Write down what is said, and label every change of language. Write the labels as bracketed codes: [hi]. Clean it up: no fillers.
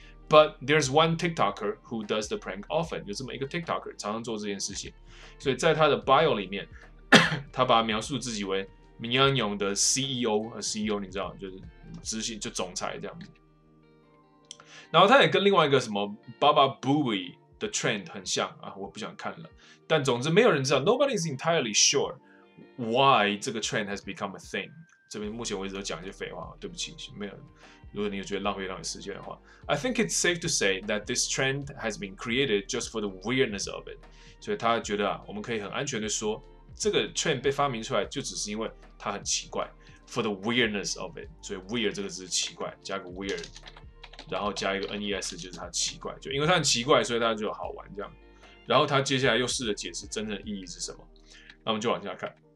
[en] But there's one TikToker who does the prank often， [zh] 有这么一个 TikToker 常常做这件事情，所以在他的 bio 里面他把他描述自己为明安勇的 CEO， 和 CEO 你知道就是执行就总裁这样子。然后他也跟另外一个什么 Baba Booey 的 trend 很像啊，我不想看了。但总之没有人知道 [en] ，Nobody is entirely sure why 这个 trend has become a thing。 [zh] 这边目前为止都讲一些废话，对不起，没有。如果你有觉得浪费时间的话 [en] ，I think it's safe to say that this trend has been created just for the weirdness of it。 [zh] 所以他觉得啊，我们可以很安全的说。这个 trend 被发明出来就只是因为它很奇怪 ， [en] for the weirdness of it， [zh] 所以 weird 这个字是奇怪，加个 weird， 然后加一个 nes 就是它奇怪，就因为它很奇怪，所以大家就好玩这样。然后他接下来又试着解释真正的意义是什么，那我们就往下看。